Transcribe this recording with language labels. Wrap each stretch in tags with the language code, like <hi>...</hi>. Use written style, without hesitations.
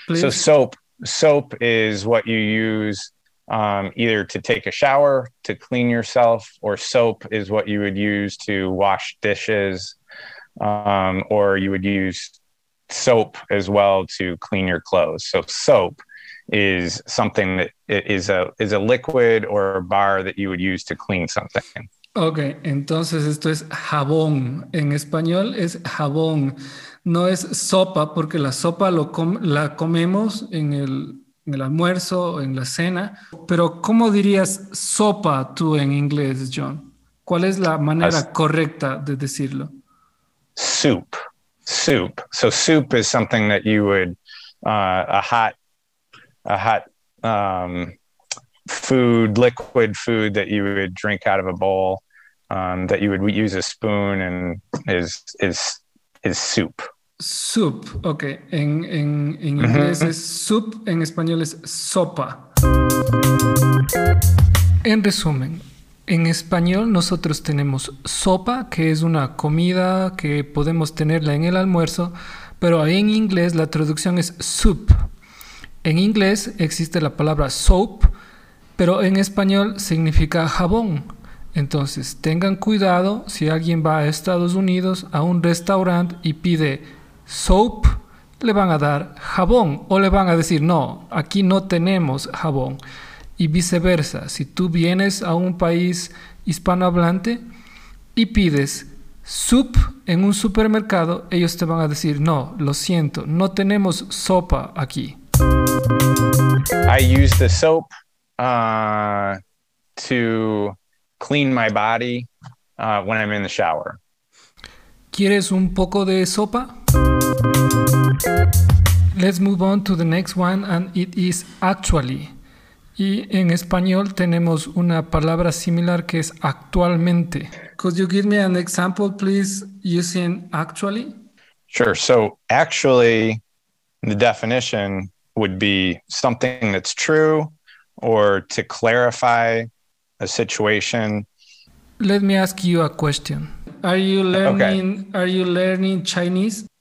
<en>Please? So soap is what you use either to take a shower, to clean yourself, or soap is what you would use to wash dishes, or you would use soap as well to clean your clothes. So soap is something that is a liquid or a bar that you would use to clean something.</en> <es>Okay, entonces esto es jabón. En español es jabón. No es sopa, porque la sopa la comemos en el almuerzo, en la cena. Pero ¿cómo dirías sopa tú en inglés, John? ¿Cuál es la manera correcta de decirlo?</es> <en>Soup. Soup. So soup is something that you would, a hot liquid food that you would drink out of a bowl. That you would use a spoon and is soup. Soup, okay.</en> <es>En inglés es soup, en español es sopa. En resumen, en español nosotros tenemos sopa, que es una comida que podemos tenerla en el almuerzo, pero ahí en inglés la traducción es soup. En inglés existe la palabra soap, pero en español significa jabón. Entonces, tengan cuidado si alguien va a Estados Unidos a un restaurante y pide soap, le van a dar jabón o le van a decir no, aquí no tenemos jabón. Y viceversa, si tú vienes a un país hispanohablante y pides soup en un supermercado, ellos te van a decir no, lo siento, no tenemos sopa aquí.</es> <en>I use the soap to clean my body when I'm in the shower.</en> <es>¿Quieres un poco de sopa?</es> <en>Let's move on to the next one, and it is actually.</en> <es>Y en español tenemos una palabra similar que es actualmente.</es> <en>Could you give me an example, please, using actually? Sure. So actually, the definition would be something that's true, or to clarify a situation. Let me ask you a question. Are you learning Chinese?</en>